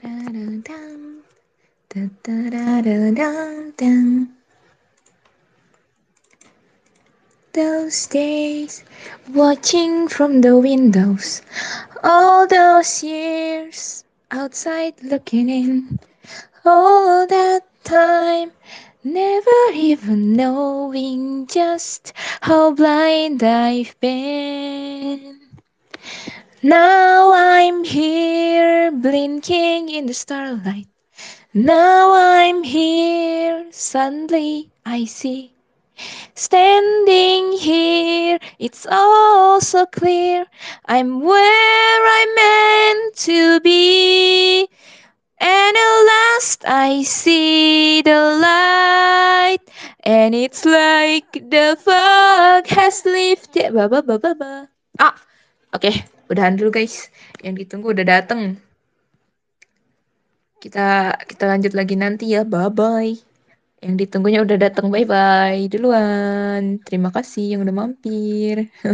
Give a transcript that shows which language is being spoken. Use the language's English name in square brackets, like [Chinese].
[English] Ta-da-da-dum. Ta-da-da-dum-dum. those days, watching from the windows, all those years outside looking in, all that time, never even knowing just how blind I've been. Now I'm here, blinking in the starlight. Now I'm here, suddenly I see. Standing here, it's all so clear. I'm where I'm meant to be. And at last I see the light, and it's like the fog has lifted. Ba ba ba ba ba. Ah, okay. [Indonesian] Udahan dulu guys, yang ditunggu udah dateng. Kita lanjut lagi nanti ya, [English] bye bye. [Indonesian] Yang ditunggunya udah dateng, bye bye duluan. Terima kasih yang udah mampir.